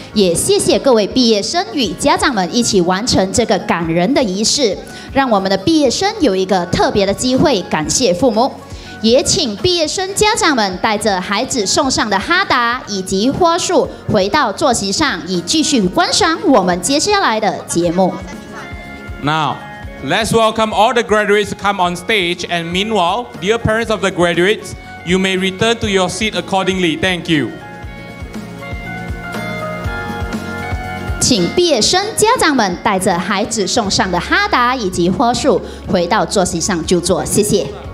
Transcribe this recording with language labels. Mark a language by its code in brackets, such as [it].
[zh] 也谢谢各位毕业生与家长们一起完成这个感人的仪式，让我们的毕业生有一个特别的机会感谢父母。也请毕业生家长们带着孩子送上的哈达以及花束回到座席上，以继续观赏我们接下来的节目。 [en] Now. Let's welcome all the graduates to come on stage. And meanwhile, dear parents of the graduates, you may return to your seat accordingly. Thank you. [zh] 请毕业生家长们带着孩子送上的哈达以及花束回到座席上就坐，谢谢。